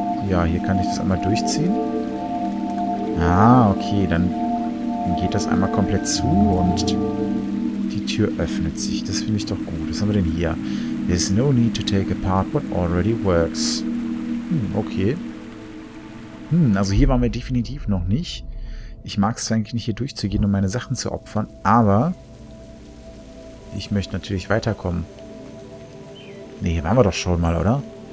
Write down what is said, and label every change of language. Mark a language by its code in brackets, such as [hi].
[de] Ja, hier kann ich das einmal durchziehen. Ah, okay. Dann geht das einmal komplett zu und die Tür öffnet sich. Das finde ich doch gut. Was haben wir denn hier? [en] There's no need to take apart what already works. [de] Okay. Also hier waren wir definitiv noch nicht. Ich mag es eigentlich nicht, hier durchzugehen und meine Sachen zu opfern, aber... Ich möchte natürlich weiterkommen. Ne, hier waren wir doch schon mal, oder?